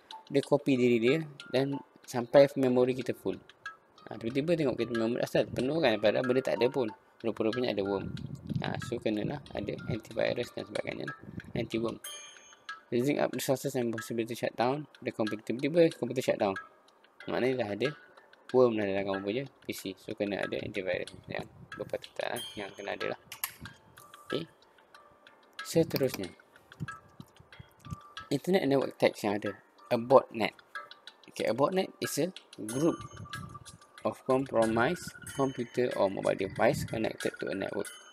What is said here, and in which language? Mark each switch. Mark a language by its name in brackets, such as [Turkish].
[Malay] Dia copy diri dia dan sampai memori kita full. Tiba-tiba tengok kita memori asal penuh kan, padahal benda tak ada pun. Rupa-rupanya ada worm. So, kenalah ada antivirus dan sebagainya. [English] Anti-worm. Using up resources and possibility shutdown, the computer [Malay] tiba-tiba [English] computer shutdown. [Malay] Maknanya dah ada worm dah dalam kamu punya PC. So, kena ada antivirus yang berpatutan lah, yang kena ada lah. Okay. Seterusnya. [English] Internet network attacks [Malay] yang ada. [English] A botnet. Okay, a botnet is a group of compromised computer or mobile device connected to a network.